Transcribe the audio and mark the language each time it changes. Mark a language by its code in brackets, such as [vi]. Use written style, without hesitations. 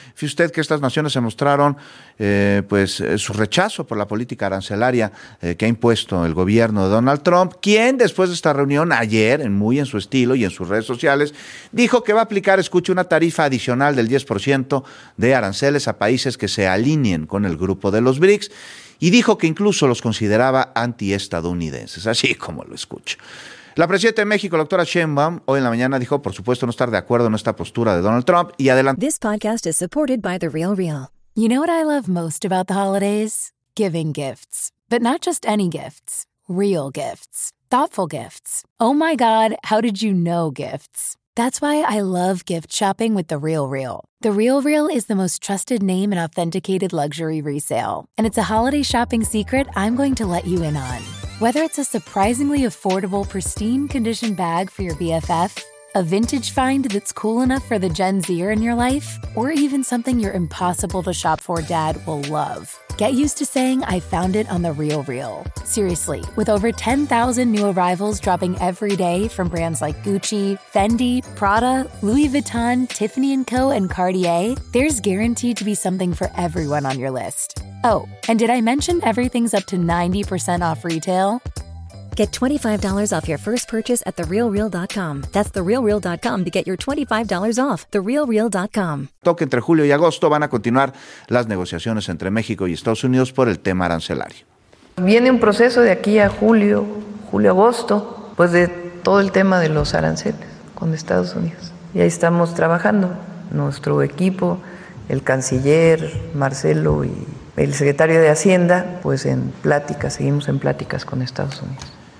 [es] Fíjese usted que estas naciones se mostraron su rechazo por la política arancelaria que ha impuesto el gobierno de Donald Trump, quien después de esta reunión ayer, muy en su estilo y en sus redes sociales, dijo que va a aplicar, escuche, una tarifa adicional del 10% de aranceles a países que se alineen con el grupo de los BRICS, y dijo que incluso los consideraba antiestadounidenses, así como lo escucho. La presidenta de México, la doctora Sheinbaum, hoy en la mañana dijo, por supuesto, no estar de acuerdo en esta postura de Donald Trump, y adelante. [en] This podcast is supported by The Real Real. You know what I love most about the holidays? Giving gifts. But not just any gifts. Real gifts. Thoughtful gifts. Oh my God, how did you know gifts? That's why I love gift shopping with The Real Real. The Real Real is the most trusted name in authenticated luxury resale. And it's a holiday shopping secret I'm going to let you in on. Whether it's a surprisingly affordable, pristine condition bag for your BFF, a vintage find that's cool enough for the Gen Zer in your life, or even something your impossible to shop for dad will love. Get used to saying, I found it on The Real Real. Seriously, with over 10,000 new arrivals dropping every day from brands like Gucci, Fendi, Prada, Louis Vuitton, Tiffany & Co., and Cartier, there's guaranteed to be something for everyone on your list. Oh, and did I mention everything's up to 90% off retail? Get $25 off your first purchase at TheRealReal.com. That's TheRealReal.com to get your $25 off. TheRealReal.com. [es] Toque entre julio y agosto van a continuar las negociaciones entre México y Estados Unidos por el tema arancelario. Viene un proceso de aquí a julio-agosto, pues de todo el tema de los aranceles con Estados Unidos. Y ahí estamos trabajando. Nuestro equipo, el canciller, Marcelo y el secretario de Hacienda, pues en pláticas, seguimos en pláticas con Estados Unidos.